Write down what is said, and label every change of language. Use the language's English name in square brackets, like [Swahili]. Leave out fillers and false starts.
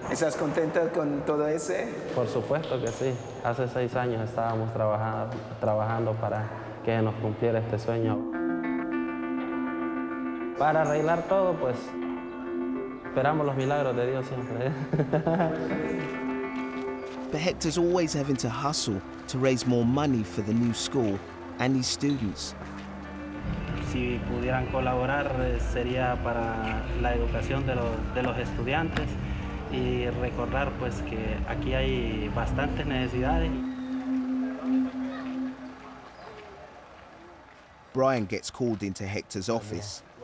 [Spanish] ¿Estás contenta con todo ese? Por supuesto que sí. Hace 6 años estábamos trabajando para que nos cumpliera este sueño. Para arreglar todo, pues, esperamos los milagros de Dios siempre. [English] But Hector's always having to hustle to raise more money for the new school and his students. [Spanish] Si pudieran colaborar, sería para la educación de los estudiantes y recordar, pues, que aquí hay bastantes necesidades. [English] Brian gets called into Hector's office.